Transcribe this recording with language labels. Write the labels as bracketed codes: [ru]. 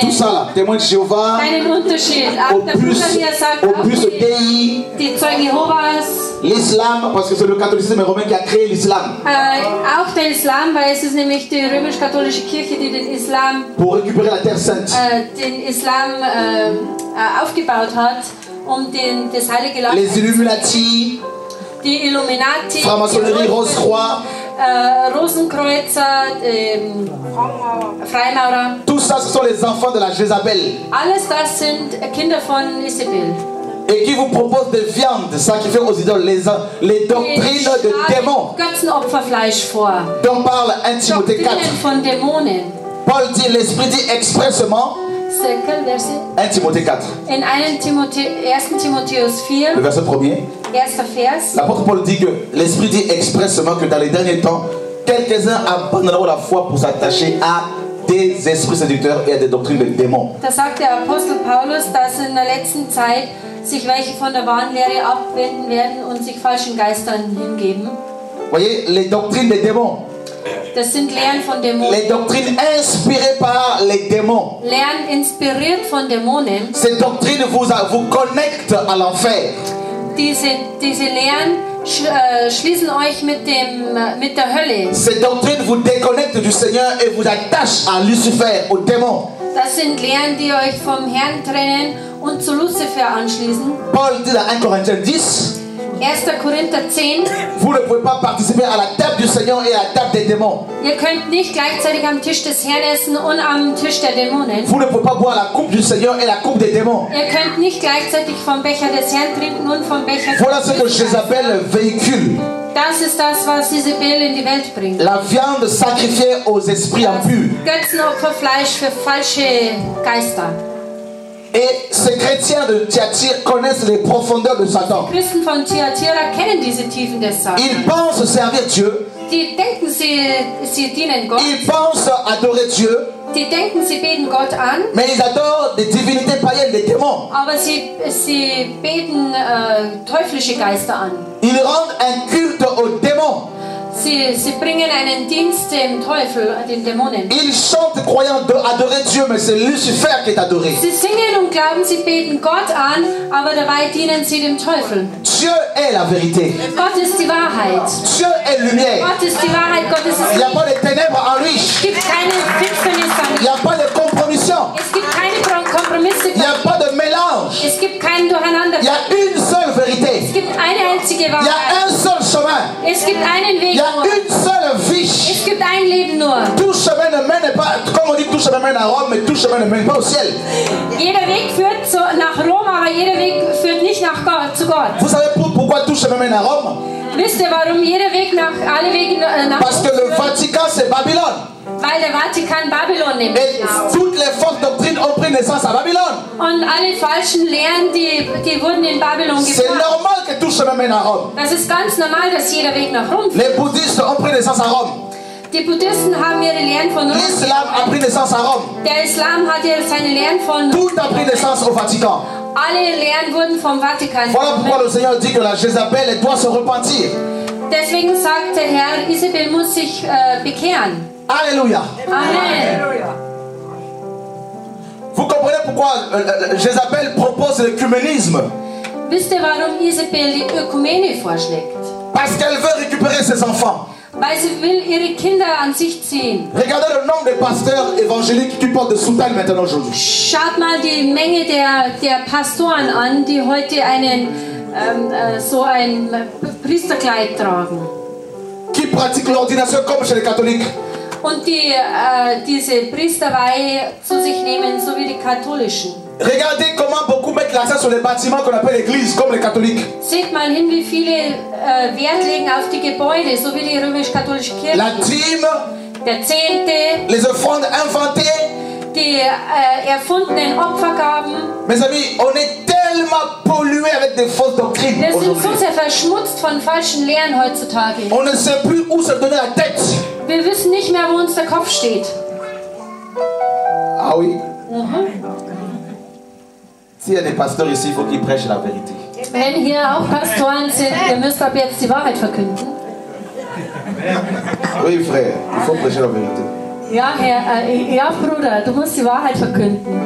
[fr] Tout ça là, témoins de Jéhovah. [de] Keinen Unterschied. [fr] Opus Dei. [de] Die Zeugen Jéhovas. [fr] L'islam, parce que c'est le catholicisme romain qui a créé l'islam. [de] Auch der Islam, weil es ist nämlich die römisch-katholische Kirche, die den Islam. [fr] Pour récupérer la terre sainte. [de] Den Islam aufgebaut hat, um das Heilige Land. [fr] Les Illuminati. [de] Die Illuminati. [fr] Franc-maçonnerie, Rose-Croix. [de] Rosenkreuzer, Freimaurer. [fr] Tout ça, ce sont les enfants de la Jézabel. [de] Alles das sind Kinder von Isabel. [fr] Et qui vous propose des viandes sacrifiées aux idoles, les doctrines de démons. [de] Götzenopferfleisch vor. [fr] Dont parle 1 Timothée 4. [de] Von Dämonen. [fr] Paul dit, l'Esprit dit expressement. C'est quel verset? 1 Timothée 4. [de] In 1 Timotheus 4. [fr] Le verset premier. [de] Erster Vers. [fr] L'apôtre Paul dit que l'Esprit dit expressement que dans les derniers temps, quelques-uns abandonneront la foi pour s'attacher à des esprits séducteurs et à des doctrines de démons. [de] Da sagt der Apostel Paulus, dass in der letzten Zeit sich welche von der wahren Lehre abwenden werden und sich falschen Geistern hingeben. [fr] Voyez, les doctrines des démons. [de] Das sind Lehren von Dämonen. [fr] Les doctrines inspirées par les démons. [de] Lehren inspiriert von Dämonen. [fr] Ces doctrines vous connectent à l'enfer. [de] Diese Lehren schließen euch mit der Hölle. [fr] Ces doctrines vous déconnectent du Seigneur et vous attachent à Lucifer, au démon. [de] Das sind Lehren, die euch vom Herrn trennen und zu Lucifer anschließen. [fr] Paul dit dans 1 Corinthiens 10. [de] 1. Korinther 10. [fr] Vous ne pouvez pas participer à la table du Seigneur et à la table des démons. [de] Ihr könnt nicht gleichzeitig am Tisch des Herrn essen und am Tisch der Dämonen. [fr] Vous ne pouvez pas boire la coupe du Seigneur et la coupe des démons. [de] Ihr könnt nicht gleichzeitig vom Becher des Herrn trinken und vom Becher des [fr] Voilà ce que Jézabel véhicule. [de] Das ist das, was Isabel in die Welt bringt. [fr] La viande sacrifiée aux esprits impurs. [de] Götzenopferfleisch für falsche Geister. [fr] Et ces chrétiens de Thyatira connaissent les profondeurs de Satan. Les [de] Christen von Thyatira kennen diese Tiefen des Satans. [fr] Ils pensent servir Dieu. [de] Die denken, sie dienen Gott. [fr] Ils pensent adorer Dieu. [de] Die denken, sie beten Gott an. [fr] Mais ils adorent des divinités païennes, des démons. [de] Aber sie beten teuflische Geister an. [fr] Ils rendent un culte aux démons. [de] Sie bringen einen Dienst dem Teufel, den Dämonen. [fr] Ils chantent croyant adorer Dieu, mais c'est Lucifer qui est adoré. [de] Sie singen und glauben, sie beten Gott an, aber dabei dienen sie dem Teufel. [fr] Dieu est la vérité. [de] Gott ist die Wahrheit. [fr] Dieu est lumière. [de] Gott ist die Wahrheit. Gott ist [fr] Il n'y a pas de ténèbres en lui. [de] Es gibt keine Finsternis an lui. [fr] Il n'y a pas de compromission. [de] Es gibt keine Kompromisse. [fr] Il n'y a pas de mélange. [de] Es gibt kein Durcheinander. [fr] Il y a une seule vérité. [de] Es gibt eine einzige Wahrheit. [fr] Il y a un seul chemin. [de] Es gibt einen Weg. [fr] Il y a une seule vie. [de] Es gibt ein Leben nur. [fr] Tout chemin ne mène pas, comme on dit, tout chemin mène à Rome, mais tout chemin ne mène pas au ciel. [de] Jeder Weg führt nach Rom, aber jeder Weg führt nicht nach Gott, zu Gott. [fr] Vous savez pourquoi tout chemin mène à Rome? [de] Wisst ihr, warum jeder Weg nach alle Wege nach Rom führt? [fr] Parce que le Vatican c'est Babylone. [de] Weil der Vatikan Babylon nimmt. [fr] Et toutes les fausses doctrines ont pris naissance à Babylone. [de] Und alle falschen Lehren, die wurden in Babylon gebracht. [fr] C'est normal que tout chemin mène à Rome. [de] Das ist ganz normal, dass jeder Weg nach Rom führt. [fr] Les Bouddhistes ont pris naissance à Rome. [de] Die Buddhisten haben ihre Lehren von Rom. [fr] L'Islam a pris naissance à Rome. [de] Der Islam hat ihre seine Lehren von Rom. [fr] Tout a pris naissance au Vatican. [de] Alle Lehren wurden vom Vatikan. [fr] Voilà pourquoi le Seigneur dit que la Jézabel doit se repentir. [de] Deswegen sagt der Herr, Isabel muss sich bekehren. [fr] Alléluia. [de] Amen. [fr] Vous comprenez pourquoi Jézabel propose l'œcuménisme? [de] Wisst ihr, warum Isabel die Ökumene vorschlägt? [fr] Parce qu'elle veut récupérer ses enfants. [de] Weil sie will ihre Kinder an sich ziehen. [fr] Regardez le nombre de pasteurs évangéliques qui portent des soutanes maintenant aujourd'hui. [de] Schaut mal die Menge der Pastoren an, die heute einen so ein Priesterkleid tragen. [fr] Qui pratique l'ordination comme chez les catholiques? [de] Und die diese Priesterweihe zu sich nehmen, so wie die Katholischen. [fr] Regardez comment beaucoup mettent l'accent sur les bâtiments qu'on appelle l'église, comme les catholiques. [de] Seht mal hin, wie viele Wert legen auf die Gebäude, so wie die römisch-katholische Kirche. [fr] La dîme. [de] Der Zehnte. [fr] Les offrandes inventées. [de] Die erfundenen Opfergaben. [fr] Mes amis, on est tellement pollué avec des fausses doctrines aujourd'hui. [de] Wir sind so sehr verschmutzt von falschen Lehren heutzutage. [fr] On ne sait plus où se donner la tête. [de] Wir wissen nicht mehr, wo uns der Kopf steht. [fr] Ah oui. Si il y a des pasteurs ici, il faut qu'ils prêchent la vérité. [de] Wenn hier auch Pastoren sind, ihr müsst ab jetzt die Wahrheit verkünden. [fr] Oui, frère, il faut prêcher la vérité. [de] Ja, ja, Bruder, du musst die Wahrheit verkünden.